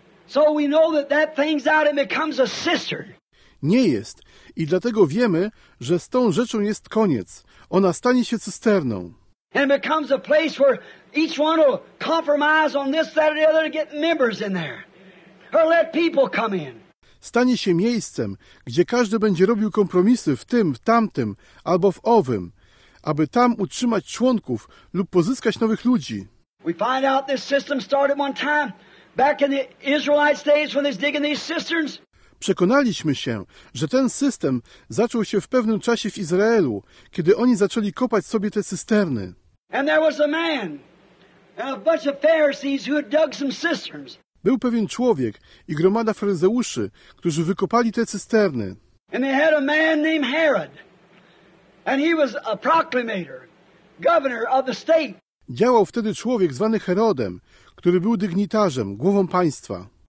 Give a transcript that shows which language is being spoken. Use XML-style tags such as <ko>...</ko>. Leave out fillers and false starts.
<en>So we know that that thing's out and becomes a cistern.</en> <pl>Nie jest. I dlatego wiemy, że z tą rzeczą jest koniec. Ona stanie się cysterną.</pl> <en>And it becomes a place where each one will compromise on this, that, or the other to get members in there. Or let people come in.</en> <pl>Stanie się miejscem, gdzie każdy będzie robił kompromisy w tym, w tamtym, albo w owym, aby tam utrzymać członków lub pozyskać nowych ludzi.</pl> <en>We find out this system started one time. Back in the Israelite days when they were digging these cisterns.</en> <pl>Przekonaliśmy się, że ten system zaczął się w pewnym czasie w Izraelu, kiedy oni zaczęli kopać sobie te cysterny.</pl> <en>And there was a man, and a bunch of Pharisees who had dug some cisterns.</en> <pl>Był pewien człowiek i gromada faryzeuszy, którzy wykopali te cysterny.</pl> <en>And they had a man named Herod, and he was a proclamator, governor of the state.</en> <pl>Działał wtedy człowiek zwany Herodem, który był dygnitarzem, głową państwa.</pl>